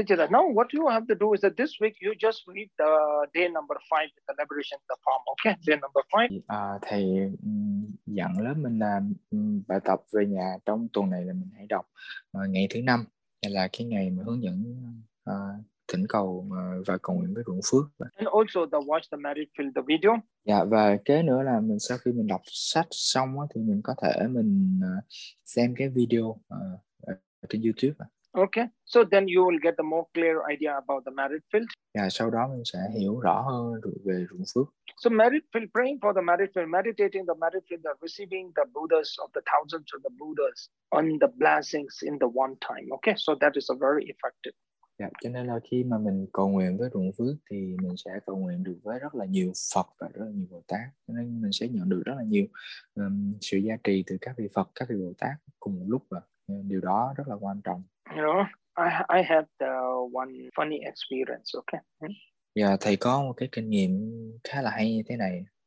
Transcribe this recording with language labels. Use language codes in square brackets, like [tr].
[en] Now what you have to do is that this week you just read the day number 5 with the liberation of the form, okay? Day number 5. [vi] Thầy dặn lớp mình là bài tập về nhà trong tuần này là mình hãy đọc ngày thứ 5, là cái ngày mà hướng dẫn thỉnh cầu và cầu nguyện với ruộng phước. [en] And also the watch the merit field the video. [vi] Dạ, và kế nữa là mình sau khi mình đọc sách xong thì mình có thể mình xem cái video trên YouTube. [en] Okay, so then you will get the more clear idea about the merit field. [vi] Dạ, sau đó mình sẽ hiểu rõ hơn về ruộng phước. [en] So merit field, praying for the merit field, meditating the merit field, the receiving the Buddhas of the thousands of the Buddhas on the blessings in the one time. Okay, so that is a very effective. [vi] Dạ, cho nên là khi mà mình cầu nguyện với ruộng phước thì mình sẽ cầu nguyện được với rất là nhiều Phật và rất là nhiều Bồ Tát. Cho nên mình sẽ nhận được rất là nhiều sự gia trì từ các vị Phật, các vị Bồ Tát cùng một lúc. Và điều đó rất là quan trọng. [en] You know, I have the one funny experience, okay? [vi] Yeah, thầy có một cái kinh nghiệm khá là hay như thế này.